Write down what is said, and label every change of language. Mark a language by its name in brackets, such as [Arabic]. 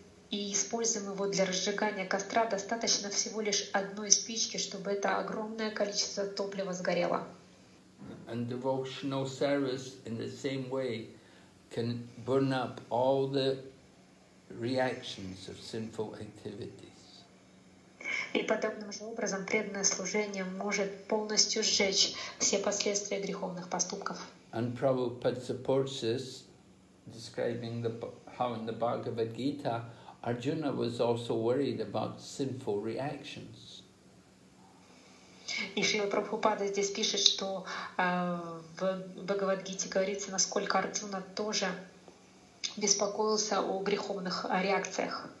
[Russian] И используем его для разжигания костра, достаточно всего лишь одной спички, чтобы это огромное количество топлива сгорело. [English] And devotional service in the same way can burn up all the reactions of sinful activities. [Russian] И подобным же образом преданное служение может полностью сжечь все последствия греховных поступков. [English] And Prabhupada supports this, describing the how in the Bhagavad Gita, Arjuna was also worried about sinful reactions. [Russian] И Шрила Прабхупада здесь пишет, что в Бхагавад-гите говорится, насколько Арджуна тоже беспокоился о греховных реакциях.